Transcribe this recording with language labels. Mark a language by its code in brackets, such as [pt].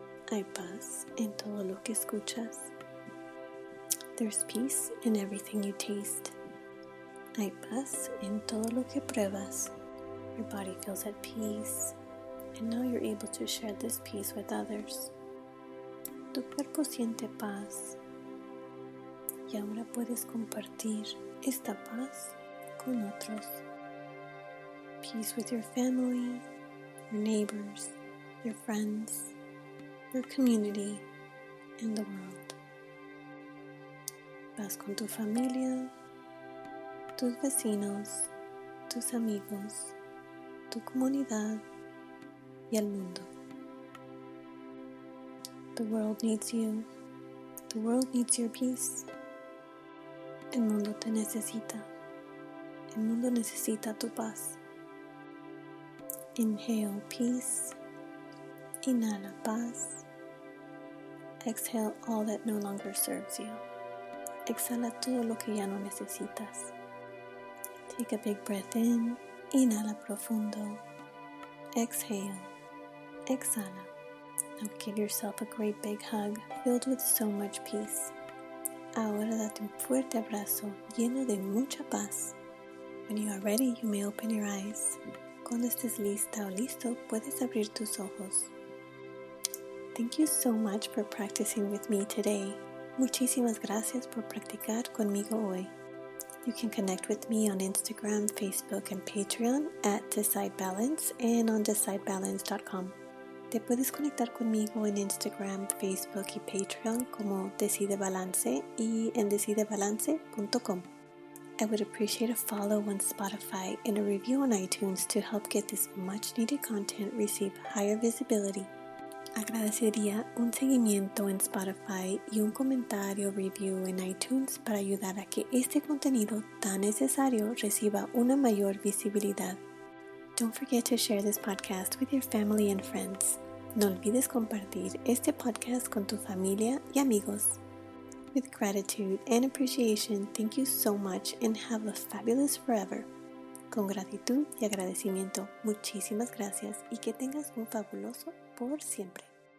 [es] Hay paz en todo lo que escuchas. [en] There's peace in everything you taste. [es] Hay paz en todo lo que pruebas. [en] Your body feels at peace, and now you're able to share this peace with others. [es] Tu cuerpo siente paz y ahora puedes compartir esta paz con otros. [en] Peace with your family, your neighbors, your friends, your community, and the world. [es] Paz con tu familia, tus vecinos, tus amigos, tu comunidad, y el mundo. [en] The world needs you. The world needs your peace. [es] El mundo te necesita. El mundo necesita tu paz. [en] Inhale peace. [es] Inhala paz. [en] Exhale all that no longer serves you. [es] Exhala todo lo que ya no necesitas. [en] Take a big breath in. [es] Inhala profundo. [en] Exhale. [es] Exhala. [en] Now give yourself a great big hug filled with so much peace. [es] Ahora date un fuerte abrazo lleno de mucha paz. [en] When you are ready, you may open your eyes. [es] Cuando estés lista o listo, puedes abrir tus ojos. [en] Thank you so much for practicing with me today. [es] Muchísimas gracias por practicar conmigo hoy. [en] You can connect with me on Instagram, Facebook, and Patreon at DecideBalance and on DecideBalance.com. [es] Te puedes conectar conmigo en Instagram, Facebook y Patreon como Decide Balance y en DecideBalance.com. [en] I would appreciate a follow on Spotify and a review on iTunes to help get this much needed content receive higher visibility. [es] Agradecería un seguimiento en Spotify y un comentario review en iTunes para ayudar a que este contenido tan necesario reciba una mayor visibilidad. [en] Don't forget to share this podcast with your family and friends. [es] No olvides compartir este podcast con tu familia y amigos. [en] With gratitude and appreciation, thank you so much and have a fabulous forever. [es] Con gratitud y agradecimiento, muchísimas gracias y que tengas un fabuloso por siempre.